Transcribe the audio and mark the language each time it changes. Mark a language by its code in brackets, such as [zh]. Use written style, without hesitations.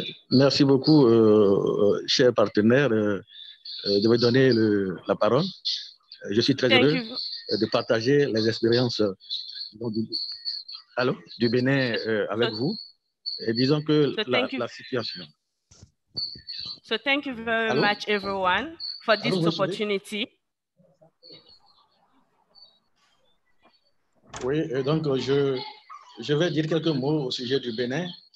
[fr] Merci beaucoup, chers partenaires, de me donner la parole. Je suis très heureux de partager les expériences du Bénin avec vous. Et disons que la situation. [en] So thank you very much, everyone, for this opportunity. [fr] Oui, donc je vais dire quelques mots au sujet du Bénin.